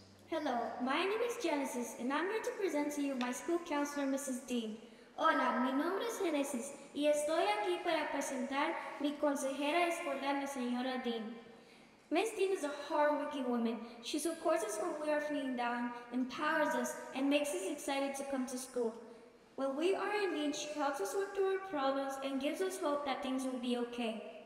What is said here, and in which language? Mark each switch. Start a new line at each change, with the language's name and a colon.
English: Hello, my name is Genesis, and I'm here to present to you my school counselor, Mrs. Dean.
Spanish: Hola, mi nombre es Genesis, y estoy aquí para presentar mi consejera escolar, la señora Dean.
English: Ms. Dean is a hardworking woman. She supports us when we are feeling down, empowers us, and makes us excited to come to school. When we are in need, she helps us work through our problems and gives us hope that things will be okay.